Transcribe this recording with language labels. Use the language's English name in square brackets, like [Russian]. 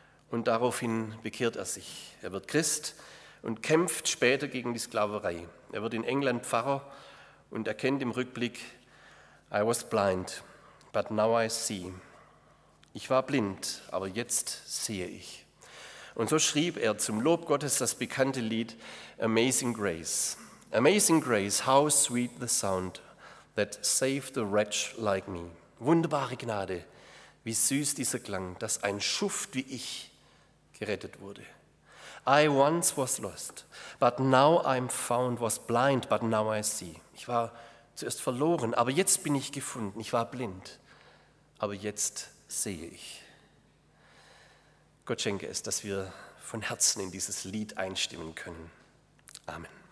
[German] Und daraufhin bekehrt er sich. Er wird Christ und kämpft später gegen die Sklaverei. Er wird in England Pfarrer und erkennt im Rückblick, [English] I was blind, but now I see. [German] Ich war blind, aber jetzt sehe ich. Und so schrieb er zum Lob Gottes das bekannte Lied Amazing Grace. [English] Amazing Grace, how sweet the sound that saved a wretch like me. [German] Wunderbare Gnade, wie süß dieser Klang, dass ein Schuft wie ich gerettet wurde. [English] I once was lost, but now I'm found, was blind, but now I see. [German] Ich war zuerst verloren, aber jetzt bin ich gefunden. Ich war blind, aber jetzt sehe ich. Gott schenke es, dass wir von Herzen in dieses Lied einstimmen können. Amen.